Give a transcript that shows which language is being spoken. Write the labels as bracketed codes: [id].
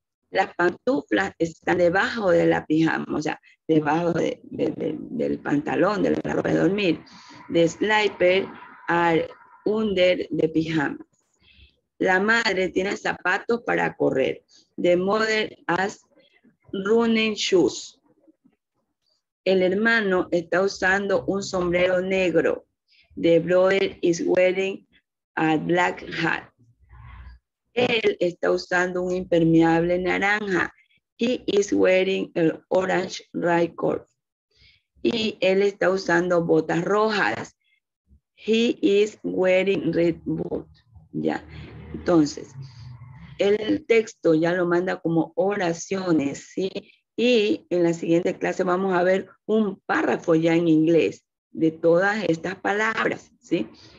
[es] Las pantuflas están debajo de la pijama, o sea, debajo del pantalón, de la ropa de dormir. [en] The slipper are under the pijama. [es] La madre tiene zapatos para correr. [en] The mother has running shoes. [es] El hermano está usando un sombrero negro. [en] The brother is wearing a black hat. [es] Él está usando un impermeable naranja. [en] He is wearing an orange raincoat. [es] Y él está usando botas rojas. [en] He is wearing red boots. [es] Ya. Entonces, el texto ya lo manda como oraciones, ¿sí? Y en la siguiente clase vamos a ver un párrafo ya en inglés de todas estas palabras, ¿sí?